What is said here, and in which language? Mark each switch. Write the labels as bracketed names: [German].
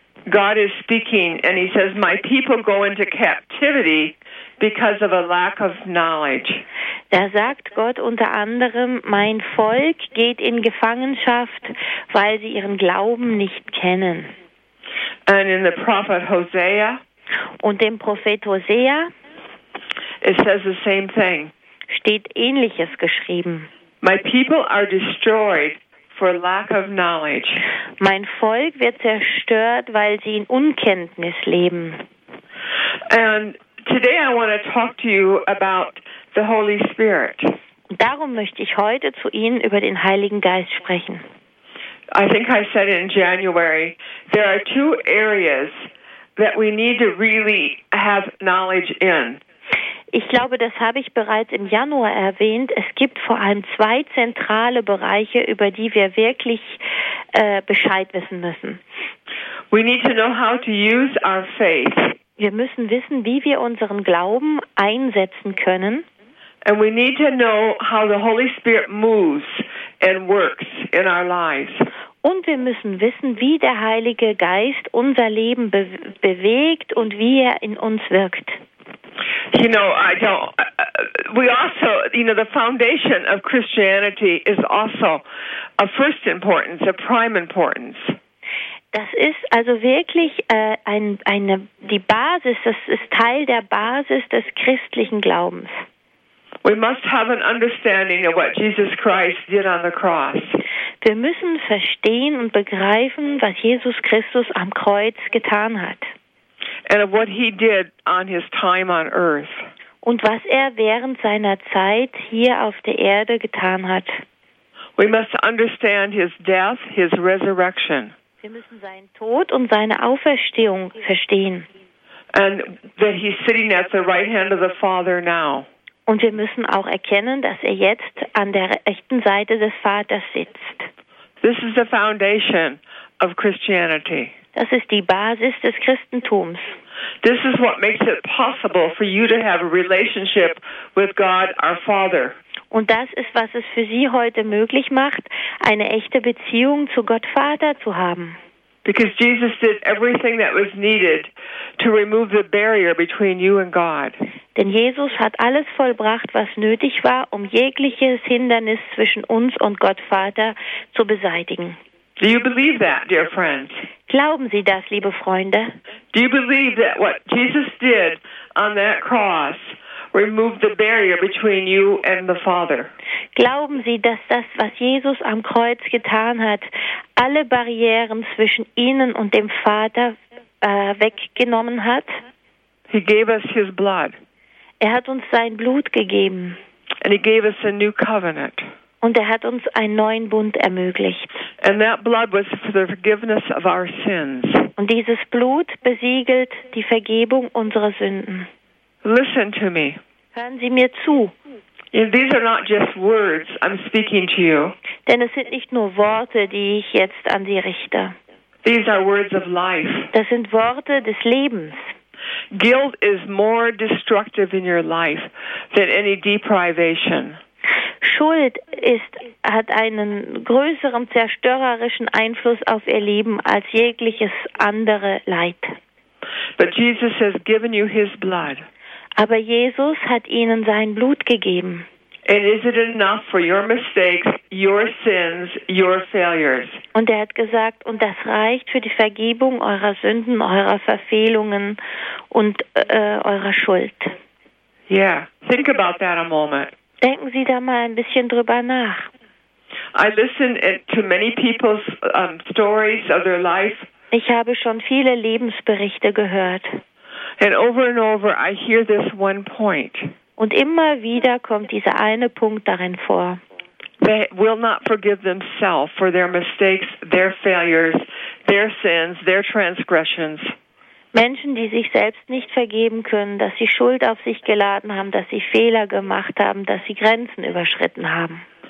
[English] God is speaking and he says, my people go into captivity because of a lack of knowledge. [German] Da sagt Gott unter anderem, mein Volk geht in Gefangenschaft, weil sie ihren Glauben nicht kennen. [English] And in the prophet Hosea. [German] Und dem Prophet Hosea. [English] It says the same thing. [German] Steht Ähnliches geschrieben. [English] My people are destroyed for lack of knowledge. [German] Mein Volk wird zerstört, weil sie in Unkenntnis leben. [English] And today I want to talk to you about the Holy Spirit. [German] Darum möchte ich heute zu Ihnen über den Heiligen Geist sprechen. [English] I think I said in January, there are two areas that we need to really have knowledge in. [German] Ich glaube, das habe ich bereits im Januar erwähnt. Es gibt vor allem zwei zentrale Bereiche, über die wir wirklich Bescheid wissen müssen. [English] We need to know how to use our faith. [German] Wir müssen wissen, wie wir unseren Glauben einsetzen können. [English] And we need to know how the Holy Spirit moves and works in our lives. [German] Und wir müssen wissen, wie der Heilige Geist unser Leben bewegt und wie er in uns wirkt. [English] You know, I don't. We also, you know, the foundation of Christianity is also of first importance, of prime importance. [German] Das ist also wirklich die Basis. Das ist Teil der Basis des christlichen Glaubens. [English] We must have an understanding of what Jesus Christ did on the cross. [German] Wir müssen verstehen und begreifen, was Jesus Christus am Kreuz getan hat. [English] And of what he did on his time on earth. [German] Und was er während seiner Zeit hier auf der Erde getan hat. [English] We must understand his death, his resurrection. [German] Wir müssen seinen Tod und seine Auferstehung verstehen. [English] And that he's sitting at the right hand of the Father now. [German] Und wir müssen auch erkennen, dass er jetzt an der rechten Seite des Vaters sitzt. [English] This is the foundation of Christianity. [German] Das ist die Basis des Christentums. [English] This is what makes it possible for you to have a relationship with God, our Father. [German] Und das ist, was es für Sie heute möglich macht, eine echte Beziehung zu Gott Vater zu haben. [English] Because Jesus did everything that was needed to remove the barrier between you and God. [German] Denn Jesus hat alles vollbracht, was nötig war, um jegliches Hindernis zwischen uns und Gott Vater zu beseitigen. [English] Do you believe that, dear friends? [German] Glauben Sie das, liebe Freunde? [English] Do you believe that what Jesus did on that cross removed the barrier between you and the Father? [German] Glauben Sie, dass das, was Jesus am Kreuz getan hat, alle Barrieren zwischen Ihnen und dem Vater weggenommen hat? [English] He gave us his blood. [German] Er hat uns sein Blut gegeben. [English] And he gave us a new covenant. [German] Und er hat uns einen neuen Bund ermöglicht. [English] And that blood was for the forgiveness of our sins. [German] Und dieses Blut besiegelt die Vergebung unserer Sünden. [English] Listen to me. [German] Hören Sie mir zu. [English] These are not just words I'm speaking to you. [German] Denn es sind nicht nur Worte, die ich jetzt an Sie richte. [English] These are words of life. [German] Das sind Worte des Lebens. [English] Guilt is more destructive in your life than any deprivation. [German] Schuld hat einen größeren zerstörerischen Einfluss auf ihr Leben als jegliches andere Leid. [English] But Jesus has given you his blood. [German] Aber Jesus hat ihnen sein Blut gegeben. [English] And is it enough for your mistakes, your sins, your failures? [German] Und er hat gesagt, und das reicht für die Vergebung eurer Sünden, eurer Verfehlungen und eurer Schuld. [English] Yeah, think about that a moment. [German] Denken Sie da mal ein bisschen drüber nach. [English] I listen to many people's stories of their life. [German] Ich habe schon viele Lebensberichte gehört. [English] And over I hear this one point. [German] Und immer wieder kommt dieser eine Punkt darin vor. [English] They will not forgive themselves for their mistakes, their failures, their sins, their transgressions. [German] Menschen, die sich selbst nicht vergeben können, dass sie Schuld auf sich geladen haben, dass sie Fehler gemacht haben, dass sie Grenzen überschritten haben.